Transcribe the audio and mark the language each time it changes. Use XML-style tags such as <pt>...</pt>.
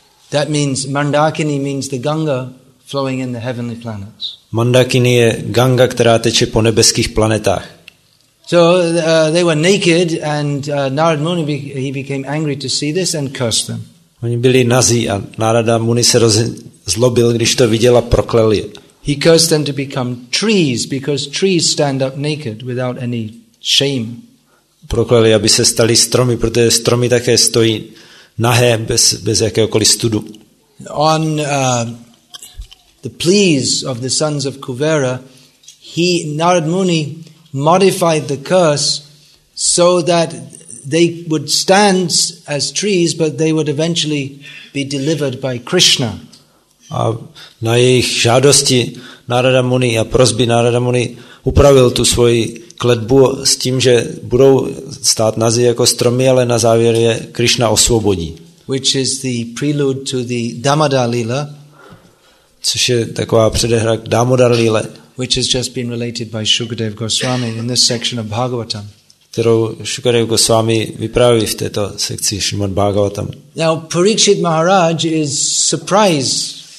<en>That means Mandakini means the Ganga flowing in the heavenly planets.</en> <cs>Mandakini je Ganga, která teče po nebeských planetách.</cs> <en>So they were naked and Narad Muni he became angry to see this and cursed them.</en> <cs>Oni byli nazí a Narada Muni se zlobil, když to viděl a proklel je.</cs> <en>He cursed them to become trees because trees stand up naked without any shame.</en> <cs>Proklel je, aby se stali stromy, protože stromy také stojí nahé bez jakéhokoliv studu.</cs> <en>On the pleas of the sons of Kuvera, he Narad Muni modified the curse so that they would stand as trees, but they would eventually be delivered by Krishna.</en> <cs>A na jejich žádosti Narada Muni a prosby Narada Muni upravil tu svoji kletbu s tím, že budou stát nazi jako stromy, ale na závěr je Krishna osvobodí.</cs> <en>Which is the prelude to the Damodara Lila.</en> <cs>Což je taková předehra k Damodara Líle,</cs> <en>which has just been related by Shukadev Goswami in this section of Bhagavatam.</en> <cs>kterou Shukadeva Goswami vypráví v této sekci Srimad Bhagavatam.</cs> <en>Now Parikshit Maharaj is surprised.</en>